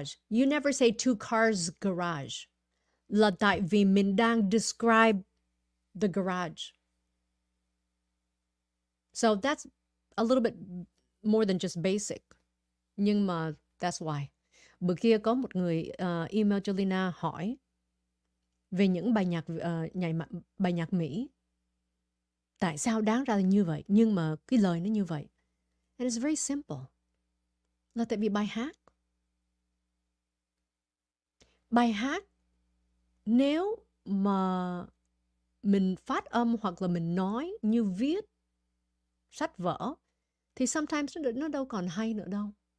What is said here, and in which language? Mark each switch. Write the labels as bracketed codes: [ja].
[en] You never say two cars garage. [vi] Là tại vì mình đang describe the garage. [en] So that's a little bit more than just basic. Nhưng mà that's why. [vi] Bữa kia có một người email cho Lina hỏi về những bài nhạc bài nhạc Mỹ. Tại sao đáng ra là như vậy? Nhưng mà cái lời nó như vậy. [en] And it's very simple. [vi] Là tại vì bài hát, nếu mà mình phát âm hoặc là mình nói như viết sách vỡ, thì sometimes nó đâu còn hay nữa đâu.